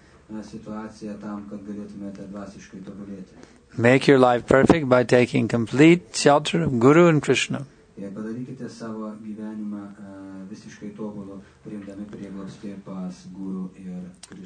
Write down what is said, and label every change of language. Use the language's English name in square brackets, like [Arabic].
[Lithuanian] situacija tam, kad galėtumėte dvasiškai tobulėti. [English] Make your life perfect by taking complete shelter of Guru and Krishna. [Lithuanian] Padarykite savo gyvenimą visiškai tobulų, priimdami prieglobstį pas Guru ir Krishna.